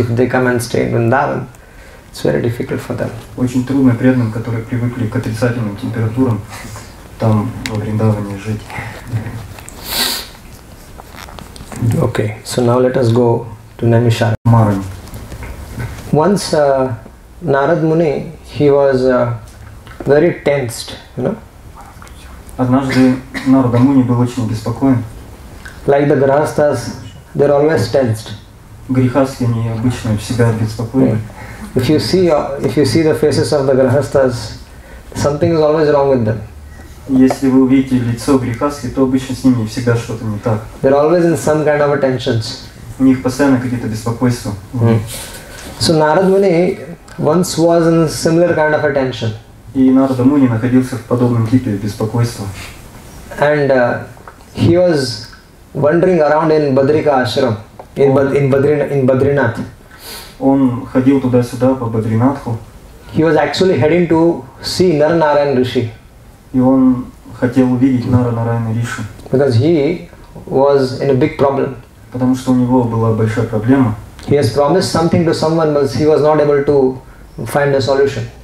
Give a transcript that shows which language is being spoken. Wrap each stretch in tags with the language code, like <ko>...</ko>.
<en>If they come and stay in Vrindavan, it's very difficult for them.</en> <ru>Очень трудно преданным, которые привыкли к отрицательным температурам, там во Вриндаване жить.</ru> <en>Okay, so now let us go to Naimisharanya. Once Narad Muni, he was very tensed, you know.</en> <ru>Однажды Нарада Муни был очень беспокоен.</ru> <en>Like the grihasthas, they're always tensed.</en> <ru>Грихасхи, они обычно всегда беспокоены.</ru> <en>Yeah. If you see the faces of the grihasthas, something is always wrong with them.</en> <ru>Если вы увидите лицо грихасхи, то обычно с ними всегда что-то не так.</ru> <en>They're always in some kind of tensions.</en> <ru>У них постоянно какие-то беспокойства.</ru> <en>So Narad Muni once was in a similar kind of a tension.</en> <ru>И Нарада Муни находился в подобном типе беспокойства.</ru> <en>And he was wandering around in Badrika ashram, in Badrinath.</en> <ru>Он ходил туда-сюда по Бадринатху.</ru> <en>He was actually heading to see Наранараяна Риши.</en> <ru>И он хотел увидеть Наранараяна Ришу.</ru> <en>Because he was in a big problem.</en> <ru>Потому что у него была большая проблема.</ru> <en>He has promised something to someone, but he was not able to find a solution.</en>